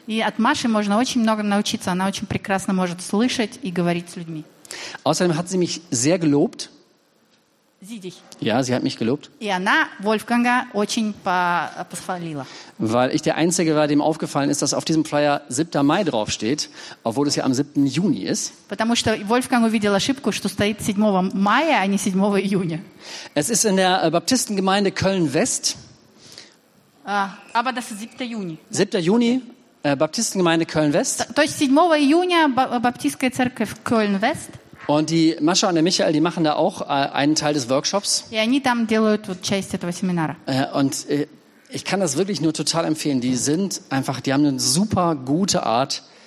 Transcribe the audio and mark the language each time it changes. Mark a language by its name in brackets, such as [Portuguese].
[Russian] И от Маши можно очень много научиться. Она очень прекрасно может слышать и говорить с людьми. [German] Außerdem hat sie mich sehr gelobt. Sie dich. Ja, sie hat mich gelobt. [Russian] И она Вольфганга очень похвалила. [German] Weil ich der Einzige war, dem aufgefallen ist, dass auf diesem Flyer 7. Mai draufsteht, obwohl es ja am 7. Juni ist. [Russian] Потому что Вольфганг увидел ошибку, что стоит 7 мая, а не 7 июня. [German] Es ist in der Baptistengemeinde Köln-West. Aber das ist 7. Juni. 7. Juni, Baptistengemeinde Köln-West. [Russian] То есть 7 июня Баптистская церковь Köln-West. [German] Und die Mascha und der Michael, die machen da auch einen Teil des Workshops. [Russian] И они там делают вот часть этого семинара. [German] Und ich kann das wirklich nur total empfehlen. Die sind einfach, die haben eine super gute Art.